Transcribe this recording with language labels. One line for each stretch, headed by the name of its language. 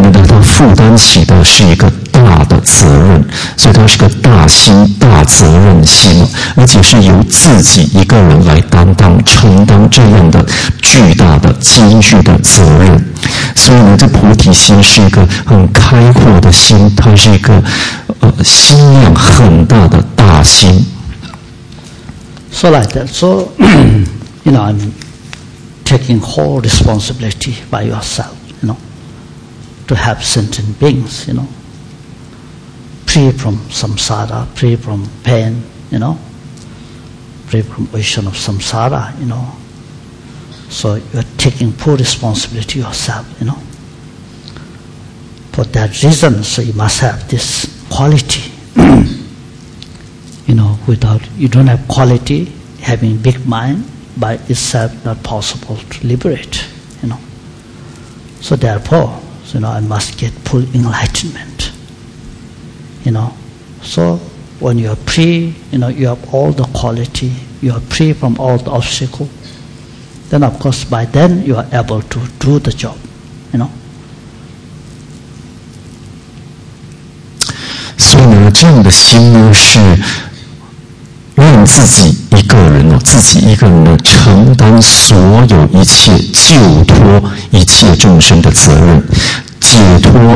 Chinese: 为什么呢？因为呢，我要解脱一切众生，从把他们从轮回的痛苦中解脱出来，是一切众生。当你发了这样的心愿之后，这个心愿之后呢，这就是菩提心，就发了菩提心。所以菩提心的心量呢是非常广大的，我们可以称之为大心，因为呢，它负担起的是一个。大的责任，所以它是个大心大责任心，而且是由自己一个人来担当承担这样的巨大的艰巨的责任。所以呢，这菩提心是一个很开阔的心，它是一个心量很大的大心。
English: So like that, so you know, I'm taking whole responsibility by yourself, you know, to have sentient beings, you know. Free from samsara, free from pain, you know. Free from ocean of samsara, you know. So you're taking full responsibility yourself, you know. For that reason, so you must have this quality. You know, without, you don't have quality, having big mind by itself not possible to liberate, you know. So therefore, so, you know, I must get full enlightenment. You know, so when you are free, you know, you have all the quality, you are free from all the obstacles, then of course by then you are able to do the job, you know.
Chinese: 所以呢，这样的心呢，是愿自己一个人呢，自己一个人呢，承担所有一切，救脱一切众生的责任。